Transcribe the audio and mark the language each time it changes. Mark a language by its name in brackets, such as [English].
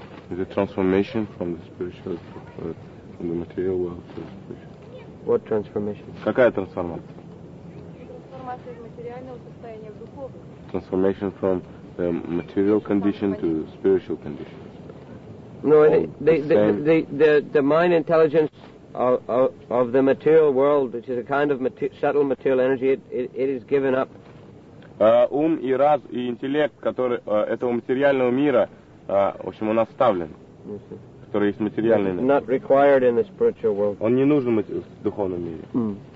[English] Is a transformation from the spiritual, from the material world to the spiritual. What transformation? [Russian] Какая трансформация? Трансформация из материального состояния в духовное. [English] Transformation from the material condition to the spiritual condition. No, the mind intelligence of the material world, which is a kind of subtle material energy, it is given up. [Russian] Ум и раз и интеллект, который этого материального мира. В общем, он оставлен, который есть материальный мир. [English] Not required in the spiritual world. [Russian] Он не нужен в духовном мире.